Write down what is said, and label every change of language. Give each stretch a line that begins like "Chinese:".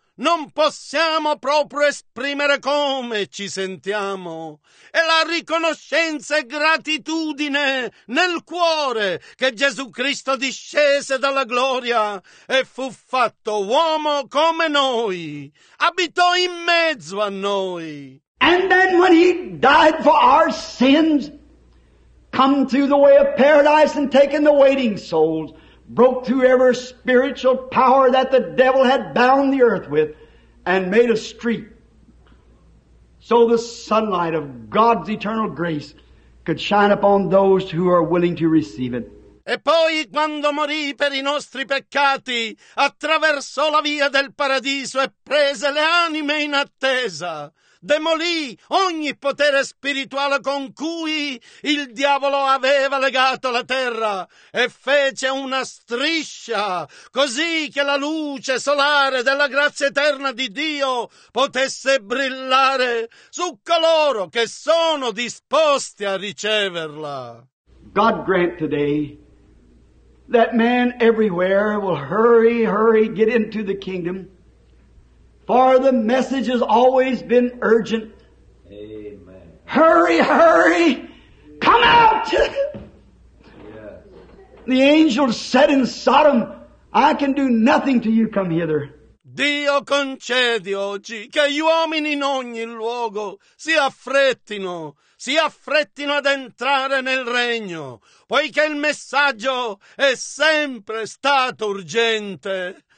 Italian: Non possiamo proprio esprimere come ci sentiamo. È la riconoscenza e gratitudine nel cuore che Gesù Cristo discese dalla gloria e fu fatto uomo come noi. Abitò in mezzo a noi.
English: And then when he died for our sins, come through the way of paradise and taken the waiting souls, broke through every spiritual power that the devil had bound the earth with and made a street so the sunlight of God's eternal grace could shine upon those who are willing to receive it.
Italian: E poi quando morì per i nostri peccati, attraversò la via del paradiso e prese le anime in attesa. Demolì ogni potere spirituale con cui il diavolo aveva legato la terra e fece una striscia così che la luce solare della grazia eterna di Dio potesse brillare su coloro che sono disposti a riceverla.
English: God grant today that man everywhere will hurry, get into the kingdom. For the message has always been urgent. Amen. Hurry, come out! Yes. The angel said in Sodom, I can do nothing till you come hither.
Italian: Dio concedi oggi che gli uomini in ogni luogo si affrettino ad entrare nel regno, poiché il messaggio è sempre stato urgente.